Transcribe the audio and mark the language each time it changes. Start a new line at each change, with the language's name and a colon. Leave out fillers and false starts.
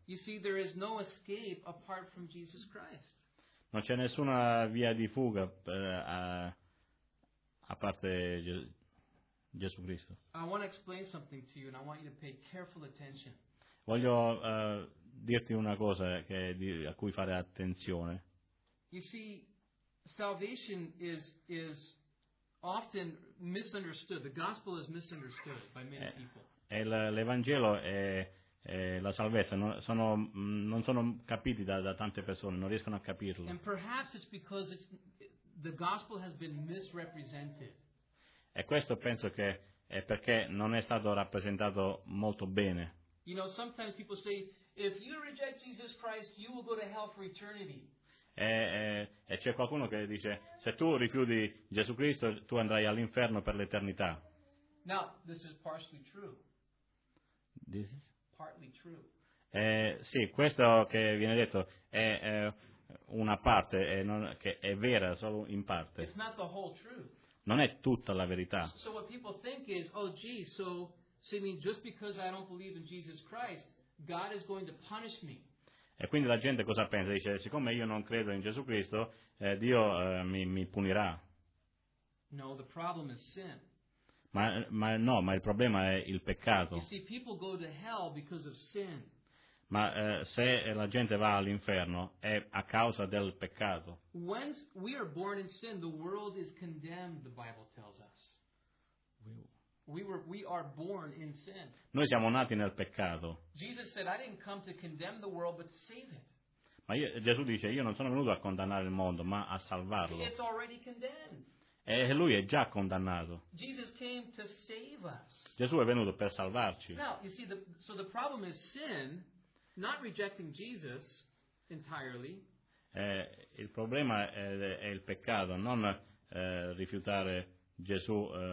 English: You see, there is no escape apart from Jesus Christ.
Italian: Non c'è nessuna via di fuga a parte Gesù Cristo.
English: I want to explain something to you, and I want you to pay careful attention.
Italian: Voglio dirti una cosa a cui fare attenzione.
English: You see, salvation is often misunderstood. The gospel is misunderstood by many people.
Italian: L'Evangelo e la salvezza non sono capiti da tante persone, non riescono a capirlo.
English: And perhaps it's because the gospel has been misrepresented.
Italian: E questo penso che è perché non è stato rappresentato molto bene.
English: You know, sometimes people say, if you reject Jesus Christ, you will go to hell for eternity.
Italian: E c'è qualcuno che dice, se tu rifiuti Gesù Cristo tu andrai all'inferno per l'eternità.
English: Now, this is partially true. This is partly true.
Italian: Sì, questo che viene detto è una parte che è vera solo in parte.
English: It's not the whole truth.
Italian: Non è tutta la verità.
English: So what people think is, oh gee, so I mean, just because I don't believe in Jesus Christ, God is going to punish me.
Italian: E quindi la gente cosa pensa? Dice, siccome io non credo in Gesù Cristo, Dio mi punirà.
English: No, the problem is sin.
Italian: Ma il problema è il peccato.
English: You see, people go to hell because of sin.
Italian: Ma se la gente va all'inferno è a causa del peccato.
English: When we are born in sin, the world is condemned, the Bible tells us. We are born in sin.
Italian: Noi siamo nati nel peccato.
English: Jesus said, I didn't come to condemn the world, but to save it.
Italian: Ma Gesù dice, io non sono venuto a condannare il mondo, ma a salvarlo.
English: It's already condemned.
Italian: E lui è già condannato.
English: Jesus came to save us.
Italian: Gesù è venuto per salvarci.
English: Now, you see, so the problem is sin, not rejecting Jesus entirely.
Italian: Il problema è il peccato, non rifiutare Gesù.